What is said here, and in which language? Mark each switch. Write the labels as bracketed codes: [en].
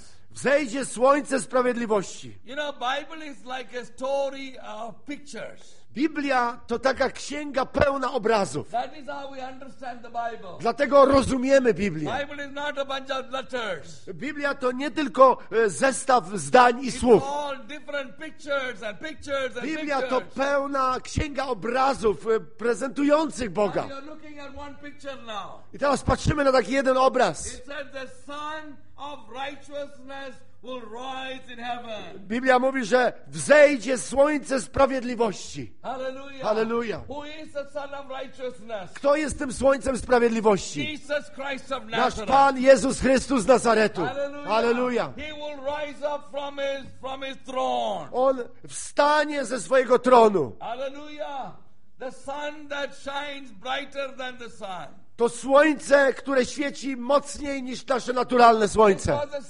[pl] Wzejdzie słońce sprawiedliwości. [en] You know, Bible is like a story of pictures. [pl] Biblia to taka księga pełna obrazów. [en] That is how we understand the Bible. [pl] Dlatego rozumiemy Biblię. [en] Bible is not a bunch of letters. [pl] Biblia to nie tylko zestaw zdań i [en] it's [pl] słów. [en] All different pictures and pictures and [pl] Biblia [en] pictures. [pl] To pełna księga obrazów prezentujących Boga. [en] And you're looking at one picture now. [pl] I teraz patrzymy na taki jeden obraz. [en] It says the sun of righteousness will rise in heaven. [pl] Biblia mówi, że wzejdzie słońce sprawiedliwości. [en] Hallelujah. Hallelujah. Who is the son of righteousness? [pl] Kto jest tym słońcem sprawiedliwości? [en] Jesus Christ of Nazareth. [pl] Nasz Pan Jezus Chrystus z Nazaretu. [en] Hallelujah. Hallelujah. He will rise up from his throne. [pl] On wstanie ze swojego tronu. [en] Hallelujah. The sun that shines brighter than the sun. [pl] To słońce, które świeci mocniej niż nasze naturalne słońce.